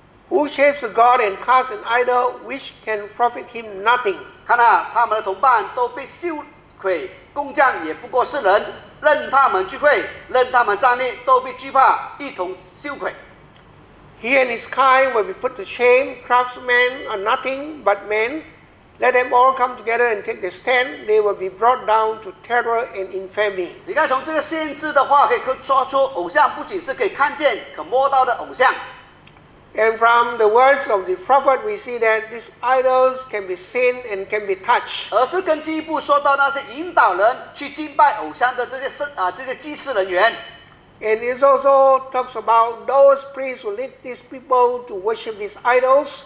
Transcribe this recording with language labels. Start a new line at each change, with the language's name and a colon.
English: Who shapes a god and casts an idol which can profit him nothing?
Chinese: 看啊，他们的同伴都被羞愧，工匠也不过是人，任他们聚会，任他们站立，都被惧怕，一同羞愧。
English: He and his kind will be put to shame. Craftsmen are nothing but men. Let them all come together and take their stand. They will be brought down to terror and infamy.
Chinese: 你看，从这个先知的话可以说出，偶像不仅是可以看见、可摸到的偶像。
English: And from the words of the prophet, we see that these idols can be seen and can be touched.
Chinese: 而是更进一步说到那些引导人去敬拜偶像的这些祭祀人员。
English: And it also talks about those priests who lead these people to worship these idols.